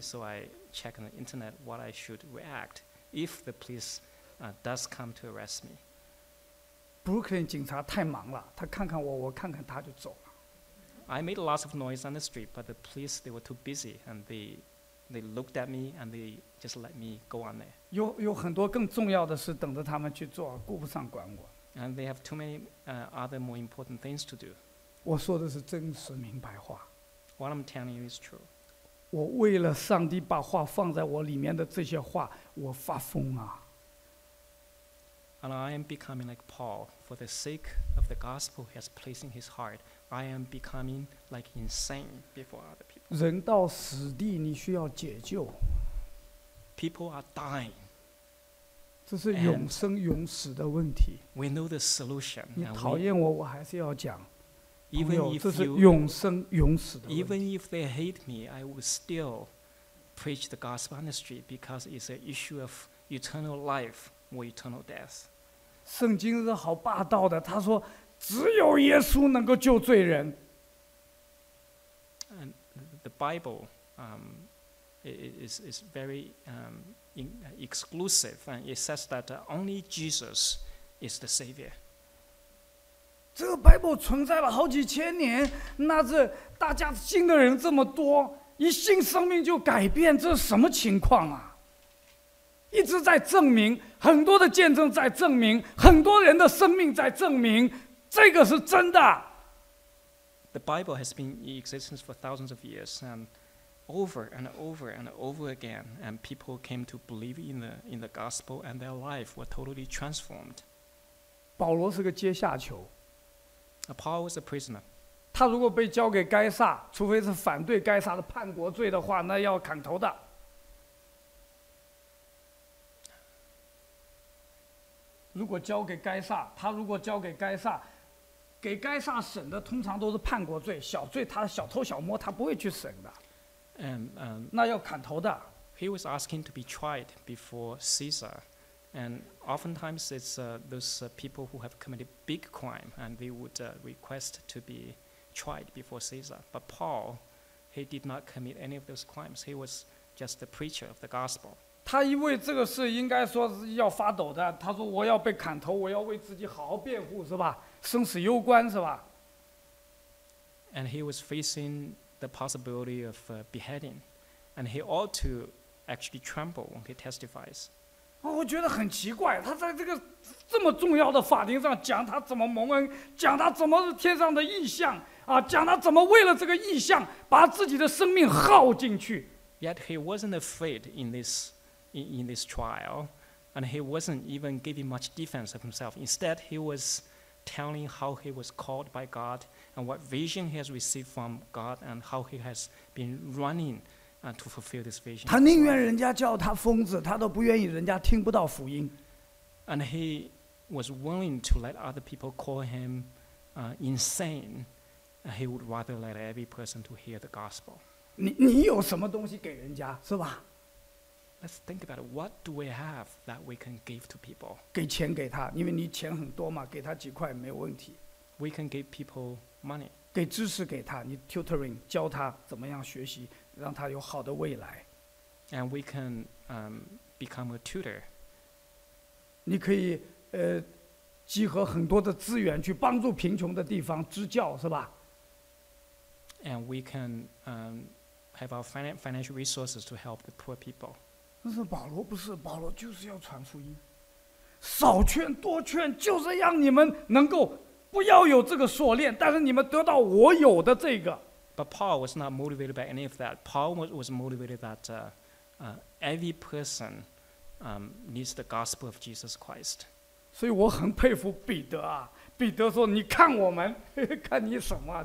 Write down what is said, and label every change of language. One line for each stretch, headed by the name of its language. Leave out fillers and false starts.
English: So I checked on the internet what I should react if the police does come to arrest me.
Chinese: Brooklyn 警察太忙了，他看看我，我看看他就走了。
English: I made lots of noise on the street, but the police they were too busy, and they looked at me and they just let me go on there.
Chinese: 有很多更重要的事等着他们去做，顾不上管我。
English: And they have too many other more important things to do.
Chinese: 我说的是真实明白话。
English: What I'm telling you is true.
Chinese: 我为了上帝把话放在我里面的这些话，我发疯啊。
English: And I am becoming like Paul, for the sake of the gospel he has placed in his heart. I am becoming like insane before other people.
Chinese: 人到死地，你需要解救。
English: People are dying.
Chinese: 这是永生永死的问题。
English: We know the solution.
Chinese: 你讨厌我，我还是要讲。
English: Even if
Chinese: 这是永生永死的问题。
English: Even if they hate me, I will still preach the gospel on the street because it's an issue of eternal life or eternal death.
Chinese: 圣经是好霸道的，他说。只有耶稣能够救罪人。
English: And the Bible, is very exclusive, and it says that only Jesus is the Savior.
Chinese: 这个 Bible 存在了好几千年，那这大家信的人这么多，一信生命就改变，这是什么情况啊？一直在证明，很多的见证在证明，很多人的生命在证明。这个是真的。
English: The Bible has been in existence for thousands of years, and over and over and over again, and people came to believe in the gospel, and their life were totally transformed.
Chinese: 保罗是个阶下囚。
English: Paul was a prisoner.
Chinese: 他如果被交给该撒，除非是反对该撒的叛国罪的话，那要砍头的。如果交给该撒，他如果交给该撒。给该撒审的通常都是叛国罪、小罪，他小偷小摸，他不会去审的。那要砍头的。
English: He was asking to be tried before Caesar, and oftentimes it's those people who have committed big crime, and they would request to be tried before Caesar. But Paul, he did not commit any of those crimes. He was just the preacher of the gospel.
Chinese: 他因为这个事应该说是要发抖的。他说：“我要被砍头，我要为自己好好辩护，是吧？” 生死攸关是吧？
English: And he was facing the possibility of beheading, and he ought to actually tremble when he testifies.
Chinese: 哦，我觉得很奇怪，他在这个这么重要的法庭上讲他怎么蒙恩，讲他怎么是天上的异象啊，讲他怎么为了这个异象把自己的生命耗进去。
English: Yet he wasn't afraid in this trial, and he wasn't even giving much defense of himself. Instead, he was telling how he was called by God and what vision he has received from God and how he has been running to fulfill this vision.
Chinese: 他宁愿人家叫他疯子，他都不愿意人家听不到福音。
English: And he was willing to let other people call him insane. He would rather let every person to hear the gospel.
Chinese: 你有什么东西给人家是吧？
English: Let's think about it. What do we have that we can give to people?
Chinese: 给钱给他，因为你钱很多嘛，给他几块没有问题。
English: We can give people money.
Chinese: 给知识给他，你 tutoring 教他怎么样学习，让他有好的未来。
English: And we can become a tutor.
Chinese: 你可以集合很多的资源去帮助贫穷的地方支教，是吧？
English: And we can have our financial resources to help the poor people.
Chinese: 但是保罗不是，保罗就是要传福音，少劝多劝，就是让你们能够不要有这个锁链，但是你们得到我有的这个。
English: But Paul was not motivated by any of that. Paul was motivated that every person needs the gospel of Jesus Christ.
Chinese: 所以我很佩服彼得啊，彼得说：“你看我们，呵呵看你什么？